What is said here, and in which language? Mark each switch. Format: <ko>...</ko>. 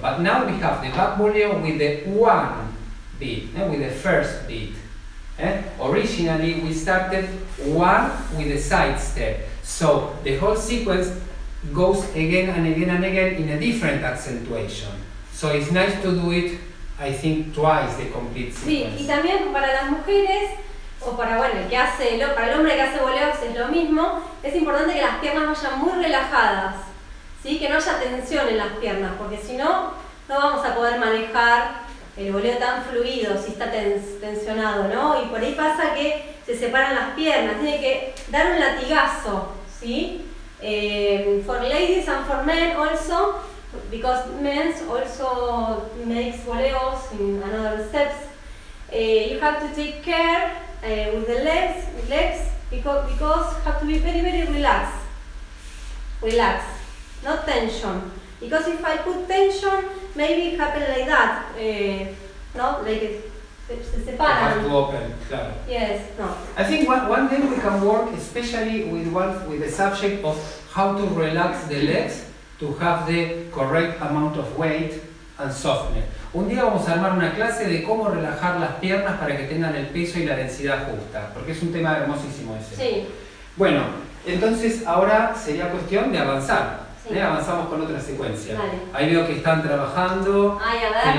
<en>But now we have the back voleo with the 1 beat, with the first beat. Originally we started 1 with a side step, so the whole sequence goes again and again and again in a different accentuation. So it's nice to do it, I think, twice the complete sequence.</en> <es>Sí, y también para las mujeres, o para, bueno, para el hombre que hace voleos es lo mismo, es importante que las piernas vayan muy relajadas, ¿sí? Que no haya tensión en las piernas, porque si no, no vamos a poder manejar el voleo tan fluido, si está tensionado, ¿no? Y por ahí pasa que se separan las piernas, tiene que dar un latigazo, ¿sí?</es> <en>For ladies and for men also, because men also makes voleos in another steps. You have to take care with the legs because you have to be very, very relaxed. Relax, not tension. Because if I put tension, maybe it happen like that, no? Like it,</en> <es>se separan.</es> <en>You have to open, claro. Yes, no. I think one thing we can work, especially with one with the subject of how to relax the legs to have the correct amount of weight and softness.</en> <es>Un día vamos a armar una clase de cómo relajar las piernas para que tengan el peso y la densidad justa, porque es un tema hermosísimo ese. Sí. Bueno, entonces ahora sería cuestión de avanzar. Sí. ¿Eh? Avanzamos con otra secuencia. Dale. Ahí veo que están trabajando. Ay, a ver,</es>